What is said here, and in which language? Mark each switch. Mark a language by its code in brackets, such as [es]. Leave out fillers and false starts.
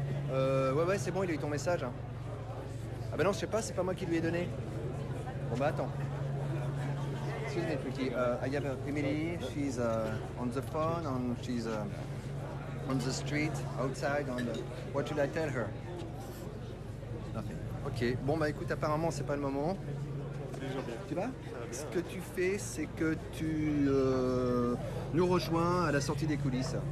[fr] Ouais, c'est bon, il a eu ton message. Hein. Ah ben non, je sais pas, c'est pas moi qui lui ai donné. Bon bah attends. [en] Excuse me, [fr] petit. [en] I have Emily, she's on the phone, and she's on the street, outside, on the... What should I tell her? [fr] Ok, bon bah écoute, apparemment c'est pas le moment. Tu vas? Ce que tu fais, c'est que tu nous rejoins à la sortie des coulisses.